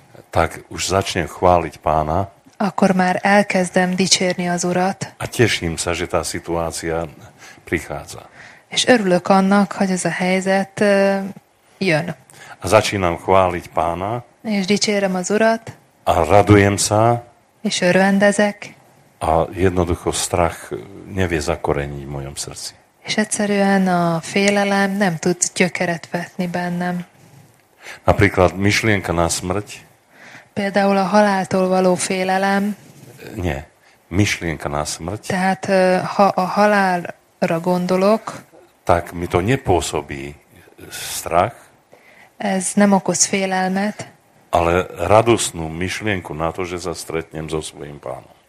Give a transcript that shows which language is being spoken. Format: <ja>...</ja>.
<sk>tak už začnem chváliť Pána,</sk> <hu>akkor már elkezdem dicsérni az Urat.</hu> <sk>A teším sa, že tá situácia prichádza.</sk> <hu>És örülök annak, hogy ez a helyzet jön.</hu> <sk>A začínam chváliť Pána.</sk> <hu>És dicsérem az Urat.</hu> <sk>A radujem sa.</sk> <hu>És örvendezek.</hu> <sk>A jednoducho strach nevie zakoreniť v mojom srdci.</sk> <hu>És egyszerűen a félelem nem tud gyökeret vetni bennem.</hu> <sk>Napríklad myšlienka na smrť.</sk> <hu>Például a haláltól való félelem.</hu> <sk>Nie, myšlienka na smrť.</sk> <hu>Tehát ha a halálra gondolok,</hu> <sk>tak mi to nepôsobí strach.</sk> <hu>Ez nem okoz félelmet.</hu> <sk>Ale radosnú myšlienku na to, že sa stretnem so svojím Pánom.</sk>